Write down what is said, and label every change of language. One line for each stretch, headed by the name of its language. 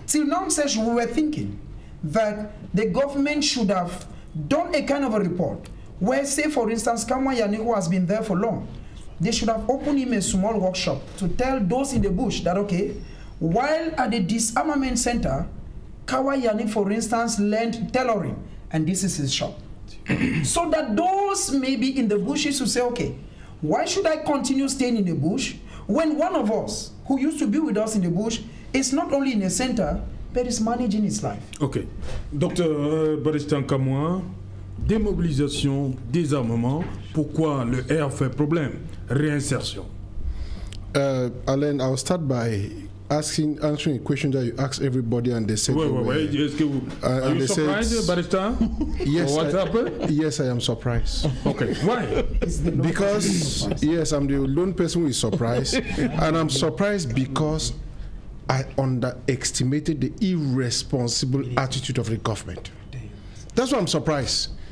English: Till now, Serge, we were thinking that the government should have done a kind of a report where, say, for instance, Kamwa Yanik, who has been there for long, they should have opened him a small workshop to tell those in the bush that, okay, while at the disarmament center, Kamwa Yanik, for instance, learned tailoring, and this is his shop. So that those maybe in the bushes who say, okay, why should I continue staying in the bush when one of us who used to be with us in the bush is not only in the center, but is managing his life? Okay. Dr.
French: Baristan Kamwa, démobilisation, désarmement, pourquoi le R fait problème? Réinsertion.
English: Alain, I'll start by answering a question that you ask everybody and they say... Are you surprised, Baristan? Yes. What happened? Yes, I am surprised. Okay. Why? Because, yes, I'm the lone person who is surprised. And I'm surprised because I underestimated the irresponsible attitude of the government. That's why I'm surprised.